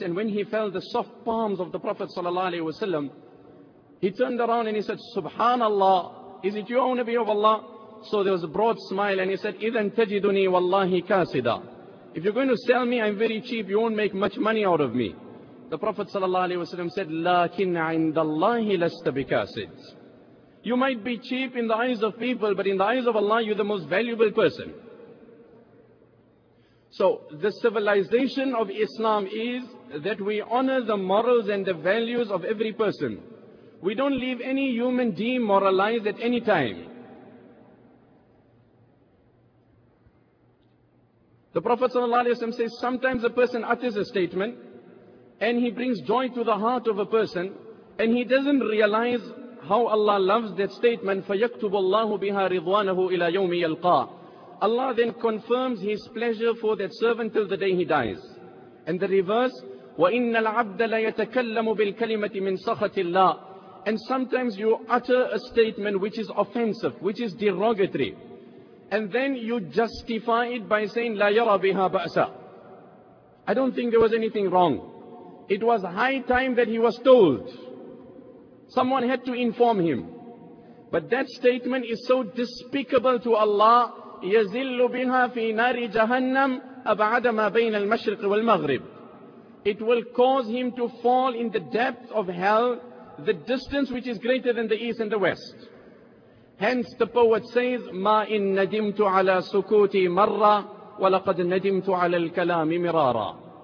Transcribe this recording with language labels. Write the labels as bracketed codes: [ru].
[en] And when he felt the soft palms of the Prophet ﷺ, he turned around and he said, Subhanallah, is it you, O Nabi of Allah? So there was a broad smile and he said, [ar] إِذَنْ تَجِدُنِي وَاللَّهِ كَاسِدًا. [en] If you're going to sell me, I'm very cheap, you won't make much money out of me. The Prophet ﷺ said, [ar] لَكِنْ عِنْدَ اللَّهِ لَسْتَ بِكَاسِدٍ. [en] You might be cheap in the eyes of people, but in the eyes of Allah, you're the most valuable person. So the civilization of Islam is that we honor the morals and the values of every person. We don't leave any human demoralized at any time. The Prophet ﷺ says, sometimes a person utters a statement and he brings joy to the heart of a person and he doesn't realize how Allah loves that statement. [ar] فَيَكْتُبُ اللَّهُ بِهَا رِضْوَانَهُ إِلَى يَوْمِ يَلْقَى. [en] Allah then confirms His pleasure for that servant till the day he dies. And the reverse, [ar] وَإِنَّ الْعَبْدَ لَيَتَكَلَّمُ بِالْكَلِمَةِ مِنْ سَخَةِ اللَّهِ. [en] And sometimes you utter a statement which is offensive, which is derogatory. And then you justify it by saying, [ar] لَا يَرَى بِهَا بَأْسَى. [en] I don't think there was anything wrong. It was high time that he was told. Someone had to inform him. But that statement is so despicable to Allah. [ar] يَزِلُّ بِهَا فِي نَارِ جَهَنَّمْ أَبْعَدَ مَا بَيْنَ الْمَشْرِقِ وَالْمَغْرِبِ. [en] It will cause him to fall in the depth of hell, the distance which is greater than the east and the west. Hence the poet says, [ar] مَا إِن نَدِمْتُ عَلَى سُكُوتِ مَرَّةِ وَلَقَدْ نَدِمْتُ عَلَى الْكَلَامِ مِرَارًا.